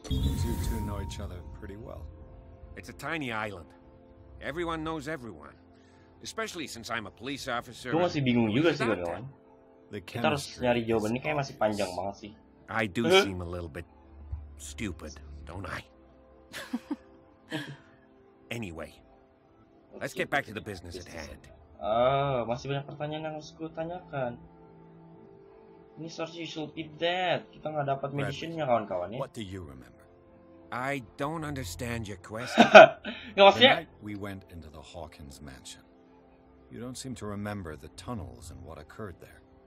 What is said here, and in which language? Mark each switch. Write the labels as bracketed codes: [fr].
[en] You two know each other pretty well. It's a tiny island. Everyone knows everyone. Especially since I'm a police officer. [id] Gue masih bingung juga sih, kawan. Kita harus nyari jawaban ini kayak masih panjang banget sih. [en] I do seem a little bit stupid, don't I? Anyway, let's get back to the business at hand. [id] Oh, masih banyak pertanyaan yang harus gue tanyakan. [en] Ini source you should keep that. [id] Kita nggak dapat medicine-nya, kawan-kawan, ya. [en] What do you remember? I don't understand your question. [id] Nggak maksudnya? [en] We went into the Hawkins mansion. You don't seem to remember the tunnels and what occurred there.